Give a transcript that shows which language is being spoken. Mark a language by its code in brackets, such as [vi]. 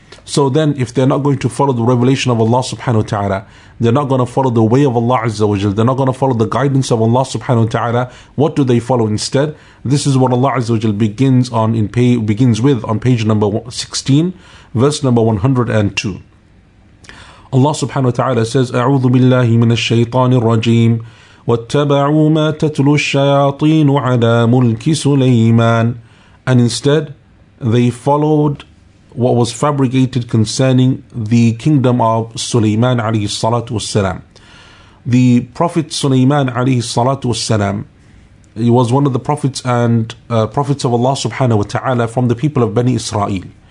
[en] So then, if they're not going to follow the revelation of Allah subhanahu wa ta'ala, they're not going to follow the way of Allah Azza wa Jalla, they're not going to follow the guidance of Allah subhanahu wa ta'ala, what do they follow instead? This is what Allah Azza wa Jalla begins with on page number 16, verse number 102. Allah subhanahu wa ta'ala says, [ar] أعوذ بالله من الشيطان الرجيم واتبعوا ما تتلو الشياطين على ملك سليمان. [en] And instead, they followed what was fabricated concerning the kingdom of Sulaiman alayhi salatu wasalam. The Prophet Sulaiman alayhi salatu wasalam, he was one of the prophets and prophets of Allah subhanahu wa ta'ala from the people of Bani Israel.